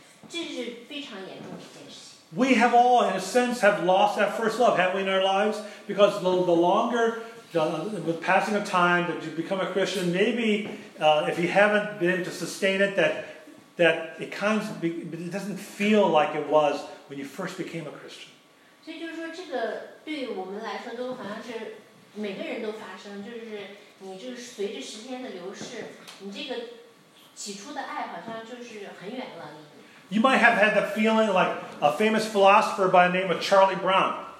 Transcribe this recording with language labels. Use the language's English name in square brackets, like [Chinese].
[Chinese] 这是非常严重的一件事情。 [English] We have all, in a sense, have lost that first love, haven't we, in our lives? Because the longer, with passing of time, that you become a Christian, maybe, if you haven't been able to sustain it, that it kind of it doesn't feel like it was when you first became a Christian. [Chinese] 所以就是说，这个对我们来说都好像是每个人都发生，就是你这个随着时间的流逝，你这个起初的爱好像就是很远了。 [English] You might have had the feeling like a famous philosopher by the name of Charlie Brown.